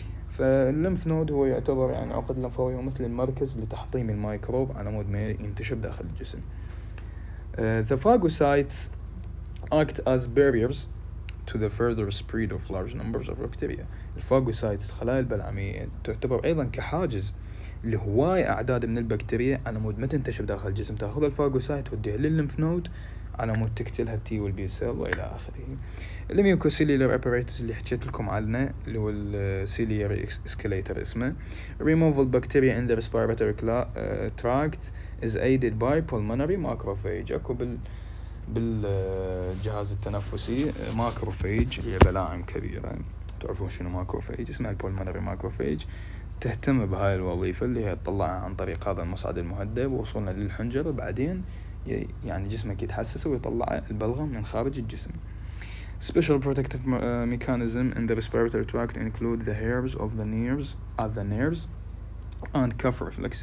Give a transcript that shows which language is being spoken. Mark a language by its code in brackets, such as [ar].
[ar] فاللمف نود هو يعتبر يعني عقد اللمفاوية مثل المركز لتحطيم الميكروب على مود ما ينتشر داخل الجسم. [en] The phagocytes act as barriers to the further spread of large numbers of bacteria. [ar] الفاغوسايتس الخلايا البلعمية تعتبر أيضا كحاجز لهواي أعداد من البكتيريا على مود ما تنتشر داخل الجسم، تأخذ الفاغوسايت وديها للنف نود على مود تقتلها التي والبي سيل والى اخره. الميوكوسيليار ابريتس اللي حكيت لكم عنه اللي هو السيلياري اسكليتر اسمه. [en] Removal bacteria in the respiratory tract is aided by pulmonary macrophage. [ar] اكو بالجهاز التنفسي ماكروفاج هي بلاعم كبيره، تعرفون شنو ماكروفاج، اسمها البولمونري ماكروفاج، تهتم بهاي الوظيفة اللي هي تطلعها عن طريق هذا المصعد المهدب ووصولنا للحنجرة، بعدين يعني جسمك يتحسسه ويطلع البلغم من خارج الجسم. [en] Special protective mechanism in the respiratory tract include the hairs of the nerves at the nerves and cuff reflex.